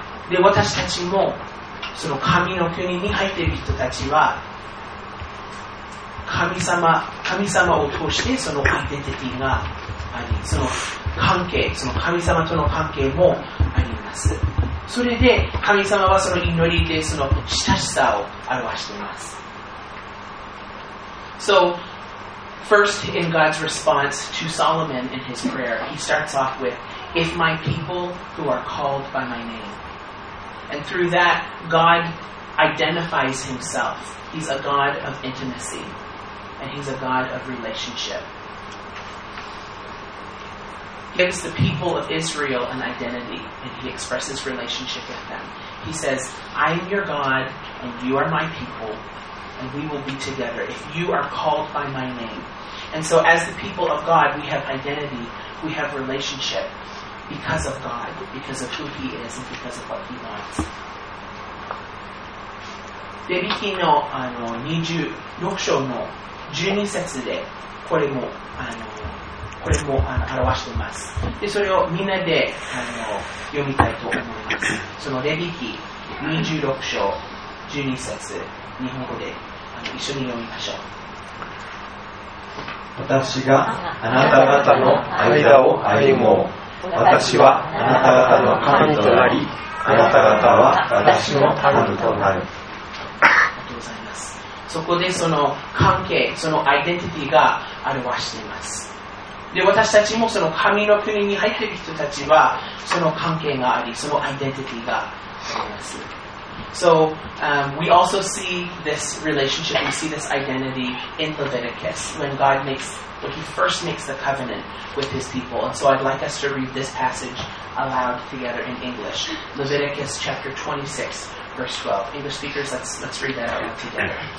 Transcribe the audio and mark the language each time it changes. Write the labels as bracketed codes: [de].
[ja] で、私たちもその神の国に入っている人たちは神様を通してそのアイデンティティがあり、その関係、その神様との関係もあります。それで神様はその祈りでその親しさを表しています。 [en] So first in God's response to Solomon in his prayer, he starts off with, if my people who are called by my name. And through that, God identifies himself. He's a God of intimacy. And he's a God of relationship. He gives the people of Israel an identity, and he expresses relationship with them. He says, I am your God, and you are my people, and we will be together if you are called by my name. And so as the people of God, we have identity, we have relationship because of God, because of who He is and because of what He wants. [ja] で、ビキの、26章の12節でこれも、これも、表しています。で、それをみんなで、読みたいと思います。そのレビキ26章12節、日本語で、一緒に読みましょう。私があなた方の間を歩もう。私はあなた方の神となり、あなた方は私の神となる。ありがとうございます。そこでその関係、そのアイデンティティが表しています。で、私たちもその神の国に入っている人たちは、その関係があり、そのアイデンティティがあります。 [en] So, we also see this relationship, we see this identity in Leviticus, when God makes, when He first makes the covenant with His people. And so I'd like us to read this passage aloud together in English. Leviticus chapter 26, verse 12. English speakers, let's read that out together.